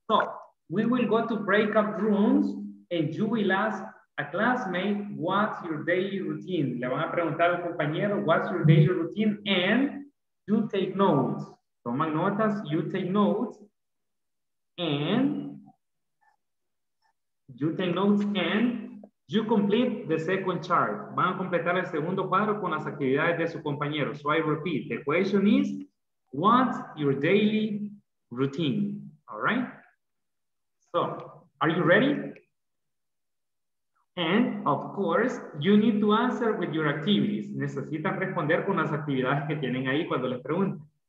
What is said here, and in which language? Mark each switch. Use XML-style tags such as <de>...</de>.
<en>So we will go to breakout rooms and you will ask a classmate, what's your daily routine?</en> <es>Le van a preguntar al compañero,</es> <en>what's your daily routine? And you take notes.</en> <es>Toma notas, you take notes. And you take notes and you complete the second chart. Van a completar el segundo cuadro con las actividades de su compañero.</es> <en>So I repeat, the question is, what's your daily routine? All right? So, are you ready? And of course, you need to answer with your activities.</en> <es>Necesitan responder con las actividades que tienen ahí cuando les pregunten.</es>